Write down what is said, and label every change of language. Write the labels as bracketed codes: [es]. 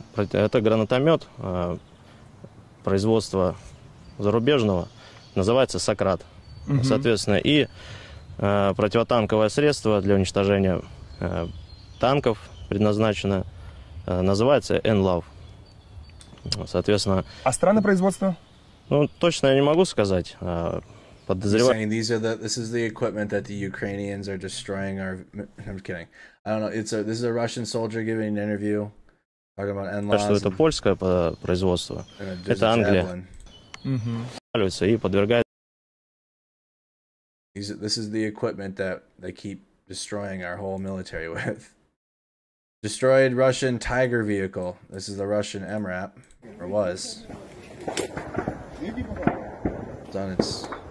[ru] Это гранатомет производства зарубежного, называется «Сократ», угу. Соответственно, и противотанковое средство для уничтожения танков предназначено, называется «Энлав». Соответственно. А страны производства? Ну, точно я не могу сказать. Подозреваю. [en] This is the equipment that the Ukrainians are destroying. I'm kidding. I don't know. This is a Russian soldier giving an interview talking about «Энлав». [ru] Что это польское производство? Это Англия. И подвергает. [en] This is the equipment that they keep destroying our whole military with. Destroyed Russian Tiger vehicle. This is the Russian MRAP. Or was. It's on its.